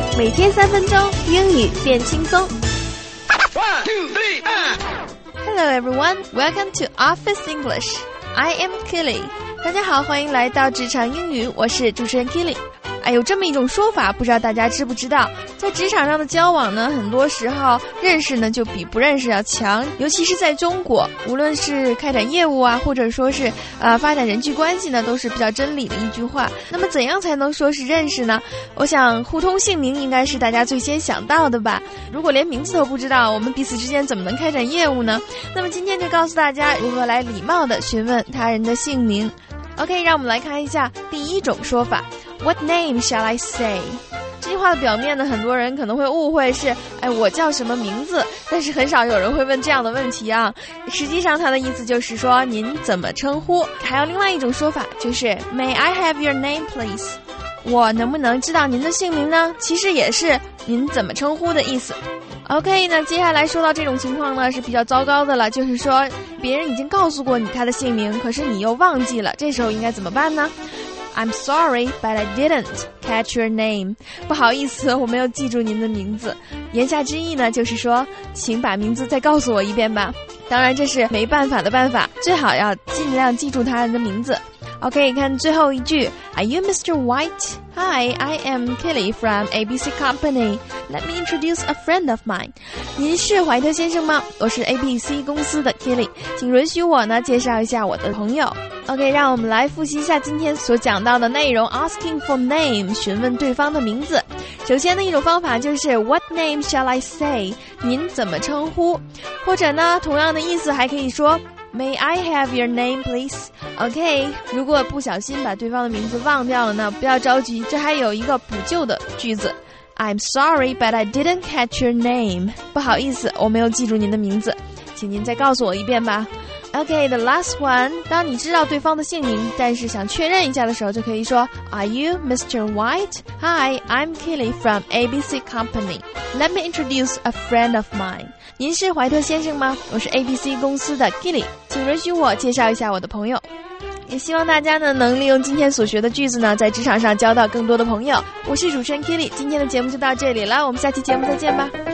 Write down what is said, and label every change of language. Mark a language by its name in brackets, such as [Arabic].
[Chinese] 每天三分钟，英语变轻松。 [English] Hello everyone, welcome to Office English. I am Kelly. [Chinese] 大家好，欢迎来到职场英语，我是主持人 Kelly。哎，有这么一种说法，不知道大家知不知道，在职场上的交往呢，很多时候认识呢就比不认识要强，尤其是在中国，无论是开展业务啊，或者说是发展人际关系呢，都是比较真理的一句话。那么怎样才能说是认识呢？我想互通姓名应该是大家最先想到的吧。如果连名字都不知道，我们彼此之间怎么能开展业务呢？那么今天就告诉大家如何来礼貌地询问他人的姓名。 OK, 让我们来看一下第一种说法 [English] What name shall I say? [Chinese] 这句话的表面呢，很多人可能会误会是哎，我叫什么名字，但是很少有人会问这样的问题啊。实际上它的意思就是说您怎么称呼。还有另外一种说法就是 [English] May I have your name please? [Chinese] 我能不能知道您的姓名呢？其实也是您怎么称呼的意思。 OK, 那接下来说到这种情况呢是比较糟糕的了，就是说别人已经告诉过你他的姓名，可是你又忘记了，这时候应该怎么办呢？ [English] I'm sorry, but I didn't catch your name. [Chinese] 不好意思，我没有记住您的名字。言下之意呢，就是说请把名字再告诉我一遍吧。当然这是没办法的办法，最好要尽量记住他人的名字。 [English] OK, [Chinese] 看最后一句 [English] Are you Mr. White? Hi, I am Kelly from ABC Company. Let me introduce a friend of mine. [Chinese] 您是怀特先生吗？我是 ABC 公司的 Kelly, 请允许我呢介绍一下我的朋友。 OK, 让我们来复习一下今天所讲到的内容 [English] Asking for name, [Chinese] 询问对方的名字。首先的一种方法就是 [English] What name shall I say? [Chinese] 您怎么称呼？或者呢，同样的意思还可以说 [English] May I have your name, please? [Chinese] OK, 如果不小心把对方的名字忘掉了呢，不要着急，这还有一个补救的句子。 [English] I'm sorry, but I didn't catch your name. [Chinese] 不好意思，我没有记住您的名字，请您再告诉我一遍吧。 OK, [English] the last one, [Chinese] 当你知道对方的姓名，但是想确认一下的时候，就可以说 [English] Are you Mr. White? Hi, I'm Kelly from ABC Company. Let me introduce a friend of mine. [Chinese] 您是怀特先生吗？我是 ABC 公司的 Kelly, 请允许我介绍一下我的朋友。也希望大家呢能利用今天所学的句子呢在职场上交到更多的朋友。我是主持人 Kelly, 今天的节目就到这里了，我们下期节目再见吧。